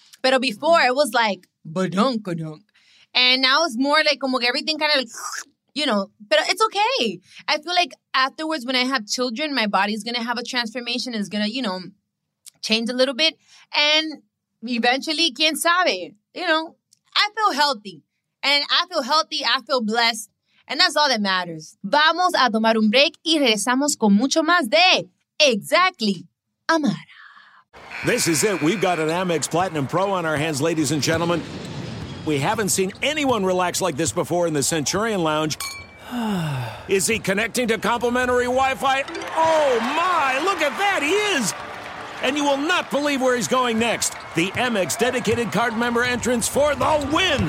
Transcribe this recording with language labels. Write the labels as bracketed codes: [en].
[es] Pero [en] before, it was like, badunk-a-dunk. And now it's more like, [es] como que [en] everything kind of, like, you know. But it's okay. I feel like afterwards, when I have children, my body's going to have a transformation. It's going to, you know, change a little bit. And eventually, [es] quién sabe, [en] you know, I feel healthy and I feel healthy. I feel blessed. And that's all that matters. [es] Vamos a tomar un break y regresamos con mucho más de Exactly Amara. [en] This is it. We've got an Amex Platinum Pro on our hands, ladies and gentlemen. We haven't seen anyone relax like this before in the Centurion Lounge. Is he connecting to complimentary Wi-Fi? Oh, my. Look at that. He is. And you will not believe where he's going next. The Amex dedicated card member entrance for the win.